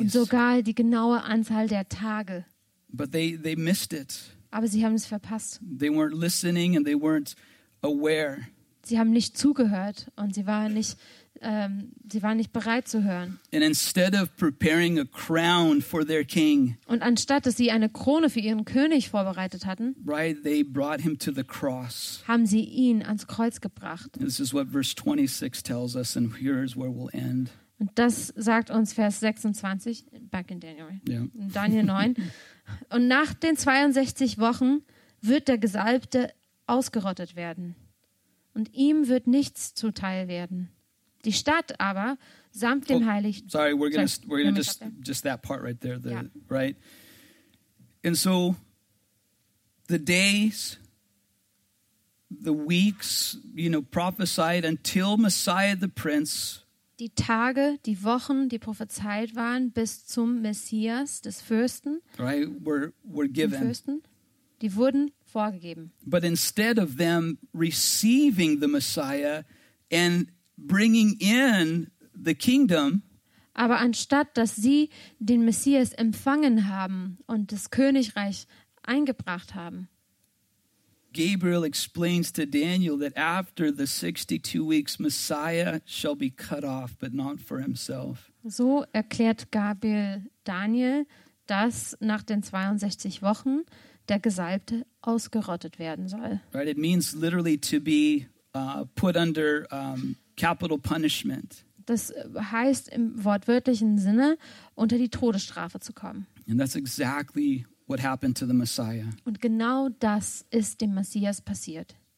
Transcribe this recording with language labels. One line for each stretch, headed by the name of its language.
German: Und sogar die genaue Anzahl der Tage.
English: But they missed it.
German: Aber sie haben es verpasst.
English: They weren't listening and they weren't aware.
German: Sie haben nicht zugehört und sie waren nicht sie waren nicht bereit zu hören.
English: And instead of preparing a crown for their king,
German: und anstatt dass sie eine Krone für ihren König vorbereitet hatten,
English: right, they brought him to the cross.
German: Haben sie ihn ans Kreuz gebracht.
English: This is what verse 26 tells us, and here is where we'll end.
German: Und das sagt uns Vers 26,
English: back in Daniel, yeah. In Daniel 9.
German: Und nach den 62 Wochen wird der Gesalbte ausgerottet werden. Und ihm wird nichts zuteil werden. Die Stadt aber samt dem Heiligen.
English: Oh, sorry, we're gonna just that part right there. The, yeah. Right. And so the days, the weeks, you know, prophesied until Messiah the Prince.
German: Die Tage, die Wochen, die prophezeit waren bis zum Messias des Fürsten.
English: Right, were given.
German: Fürsten, die wurden vorgegeben.
English: But instead of them receiving the Messiah and bringing in the kingdom,
German: aber anstatt dass sie den Messias empfangen haben und das Königreich eingebracht haben,
English: Gabriel explains to Daniel that after the 62 weeks Messiah shall be cut off, but not for himself.
German: So erklärt Gabriel Daniel, dass nach den 62 Wochen der Gesalbte ausgerottet werden soll.
English: Right, it means literally to be put under capital punishment.
German: Das heißt im wortwörtlichen Sinne, unter die Todesstrafe zu kommen.
English: And that's exactly what happened to the Messiah.
German: Und genau das ist dem Messias passiert.